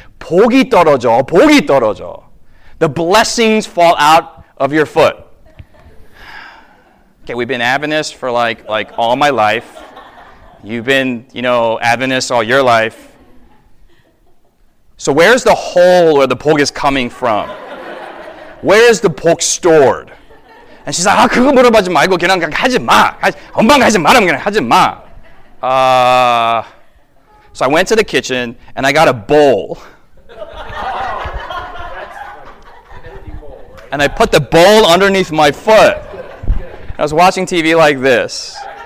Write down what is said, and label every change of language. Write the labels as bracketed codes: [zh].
[ko] 복이 떨어져. [en] The blessings fall out of your foot. Okay, we've been Adventists for like all my life. You've been, Adventists all your life. So where's the hole where the pog is coming from? Where is the pog stored? And she's like, [ko] 그거 물어보지 말고 그냥 하지 마. 엄마 하지 마. 그냥 하지 마. [en] So I went to the kitchen and I got a bowl. And I put the bowl underneath my foot. I was watching TV like this.